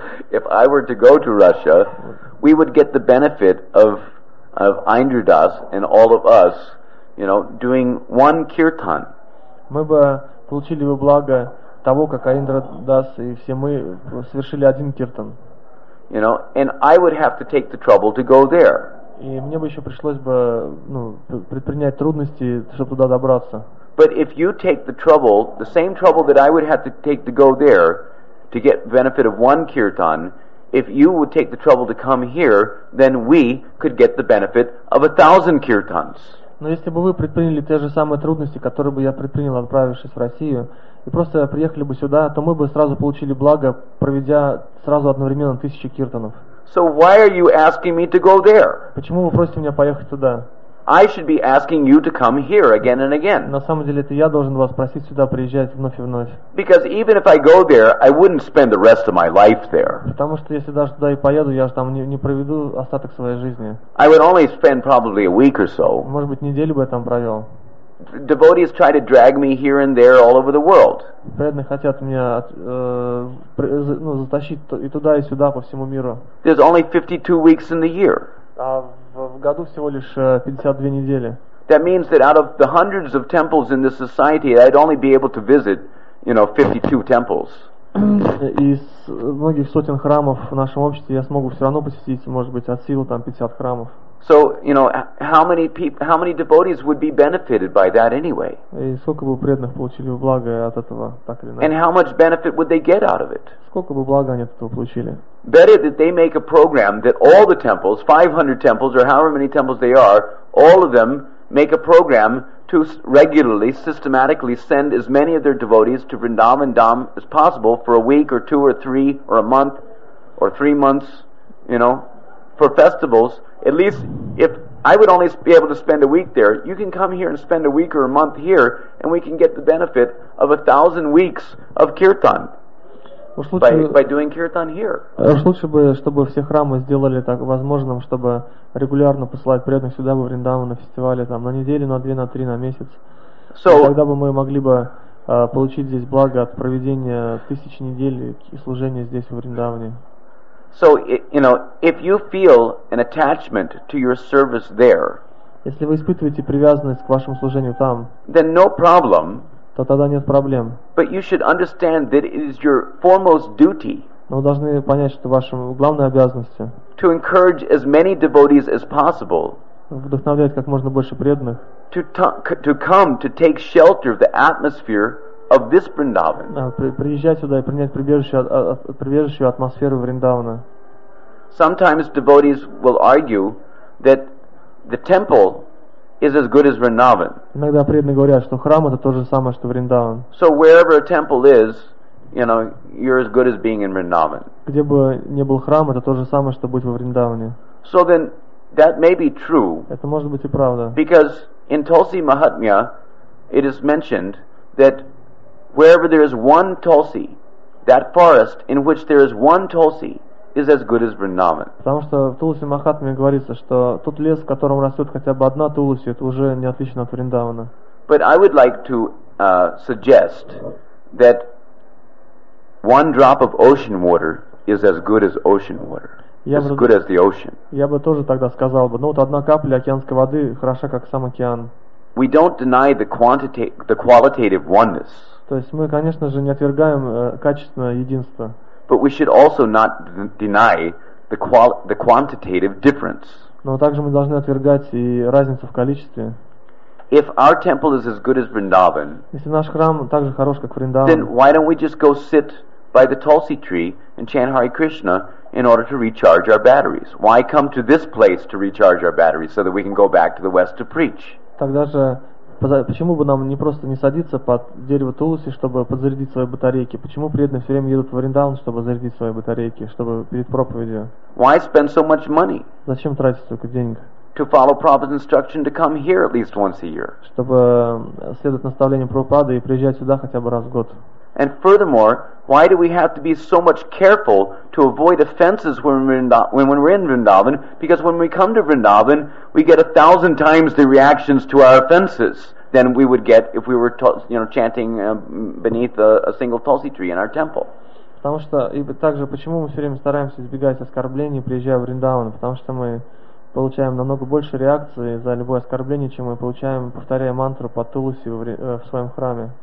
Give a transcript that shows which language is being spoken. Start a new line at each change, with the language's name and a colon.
English: if I were to go to Russia, we would get the benefit of Indradas and all of us, you know, doing one kirtan.
Russian: Мы бы получили бы благо того, как Индрадас и все мы совершили один киртан.
English: You know, and I would have to take the trouble to go there.
Russian: И мне бы еще пришлось бы, ну, предпринять трудности, чтобы туда добраться.
English: But if you take the trouble, the same trouble that I would have to take to go there to get benefit of one kirtan, if you would take the trouble to come here, then we could get the benefit of 1,000 kirtans.
Russian: Но если бы вы предприняли те же самые трудности, которые бы я предпринял, отправившись в Россию, и просто приехали бы сюда, то мы бы сразу получили благо, проведя сразу одновременно 1,000 киртанов.
English: So why are you asking me to go there?
Russian: Почему вы просите меня поехать туда?
English: I should be asking you to come here again and again.
Russian: На самом деле, это я должен вас просить сюда приезжать вновь и вновь.
English: Because even if I go there, I wouldn't spend the rest of my life there.
Russian: Потому что если даже туда и поеду, я же там не проведу остаток своей жизни.
English: I would only spend probably a week or so.
Russian: Может быть, неделю бы я там провел.
English: Devotees try to drag me here and there all over the world.
Russian: Преданные хотят меня затащить и туда, и сюда, по всему миру.
English: There's only 52 weeks in the year.
Russian: В году всего лишь 52 недели.
English: That means that out of the hundreds of temples in this society, I'd only be able to visit, you know, 52 temples.
Russian: Из многих сотен храмов в нашем обществе я смогу все равно посетить, может быть, от силы там 50 храмов.
English: So, you know, how many devotees would be benefited by that anyway?
Russian: И сколько бы преданных получили благо от этого, так или иначе?
English: And how much benefit would they get out of it?
Russian: Сколько бы блага они от этого получили?
English: Better that they make a program that all the temples, 500 temples or however many temples they are, all of them make a program to regularly, systematically send as many of their devotees to Vrindavan Dham as possible for a week or two or three or a month or 3 months, you know, for festivals. At least if I would only be able to spend a week there, you can come here and spend a week or a month here and we can get the benefit of 1,000 weeks of kirtan. By doing kirtan here.
Russian: Уж лучше бы, чтобы все храмы сделали так возможным, чтобы регулярно посылать преданных сюда во Вриндаван на фестивале там на неделю, на две, на три, на месяц.
English: So,
Russian: тогда бы мы могли бы получить здесь благо от проведения тысячи недель и служения здесь во Вриндаване.
English: So, you know, if you feel an attachment to your service there,
Russian: если вы испытываете привязанность к вашему служению там,
English: then no problem.
Russian: То тогда нет проблем.
English: But you should understand that it is your foremost duty.
Russian: Но вы должны понять, что вашим главной обязанностью
English: to encourage as many devotees as possible.
Russian: Вдохновлять как можно больше преданных.
English: To come to take shelter of the atmosphere of this Vrindavan.
Russian: Приезжать сюда и принять прибежище атмосферу Вриндавана.
English: Sometimes devotees will argue that the temple is as good as Vrindavan.
Russian: Иногда преданные говорят, что храм это то же самое, что Вриндаван.
English: So wherever a temple is, you know, you're as good as being in Vrindavan.
Russian: Где бы ни был храм, это то же самое, что быть во Вриндаване.
English: So then that may be true.
Russian: Это может быть и правда.
English: Because in Tulsi Mahatmya it is mentioned that wherever there is one tulsi, that forest in which there is one tulsi is as good as Vrindavan.
Russian: Потому что в Тулси Махатме говорится, что тот лес, в котором растет хотя бы одна тулси, это уже не отлично от Вриндавана.
English: But I would like to suggest that one drop of ocean water is as good as ocean water. As good as the ocean.
Russian: Я бы тоже тогда сказал бы, ну вот одна капля океанской воды хороша как сам океан.
English: We don't deny the qualitative oneness.
Russian: То есть мы, конечно же, не отвергаем качественное единство.
English: But we should also not deny the quantitative difference.
Russian: Но также мы должны отвергать и разницу в количестве.
English: If our temple is as good as Vrindavan,
Russian: если наш храм так же хорош, как Вриндаван,
English: then why don't we just go sit by the tulsi tree and chant Hare Krishna in order to recharge our batteries? Why come to this place to recharge our batteries so that we can go back to the west to preach?
Russian: Тогда же почему бы нам не просто не садиться под дерево Тулуси, чтобы подзарядить свои батарейки? Почему преданные все время едут в Вриндаван, чтобы зарядить свои батарейки, чтобы перед проповедью?
English: Why spend so much money?
Russian: Зачем тратить столько денег?
English: To follow Prabhupada's instruction to come here at least once a year.
Russian: Чтобы следовать наставлениям Прабхупады и приезжать сюда хотя бы раз в год.
English: And furthermore, why do we have to be so much careful to avoid offenses when we're in Vrindavan? Because when we come to Vrindavan, we get 1,000 times the reactions to our offenses than we would get if we were chanting beneath a single tulsi tree in our temple.
Russian: Потому что и также почему мы все время стараемся избегать оскорблений, приезжая в Вриндаван, потому что мы получаем намного больше реакции за любое оскорбление, чем мы получаем, повторяя мантру по туласи в своем храме.